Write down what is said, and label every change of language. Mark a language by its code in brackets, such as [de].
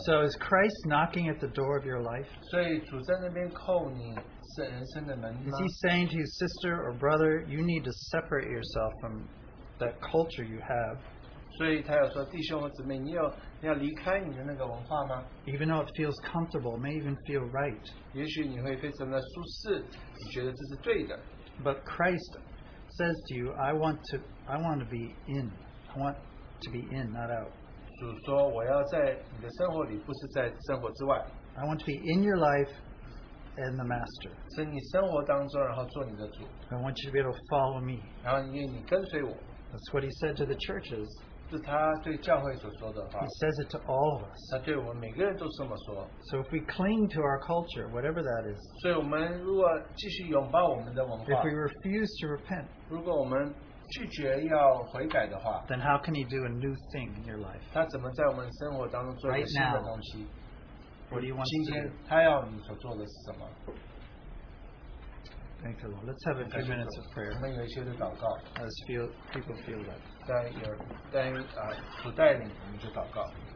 [en] So is Christ knocking at the door of your life? [zh] 所以主在那边叩你人生的门吗？ [en] Is he saying to his sister or brother, you need to separate yourself from that culture you have? [zh] 所以他有说，弟兄和姊妹，你要离开你的那个文化吗？ [en] Even though it feels comfortable, may even feel right. [zh] 也许你会非常的舒适，你觉得这是对的。 [en] But Christ says to you, I want to be in. Want to be in, not out. [zh] 主说我要在你的生活里，不是在生活之外。 [en] I want to be in your life and the master. [zh] 在你生活当中，然后做你的主。 [en] I want you to be able to follow me. [zh] 然后愿你跟随我。 [en] That's what he said to the churches. [zh] 是他对教会所说的话。 [en] He says it to all of us. [zh] 他对我们每个人都这么说。 [en] So if we cling to our culture, whatever that is. [zh] 所以我们如果继续拥抱我们的文化。 [en] If we refuse to repent. [zh] 如果我们拒绝要悔改的话， [en] then how can he do a new thing in your life? [zh] 他怎么在我们生活当中做一个新的东西？ [en] What do you want to do? [zh] 今天他要你所做的是什么？ [en] Thank the Lord. Let's have a few minutes of prayer. Let's feel, people feel that. [zh] 在有在啊主带领，我们就祷告。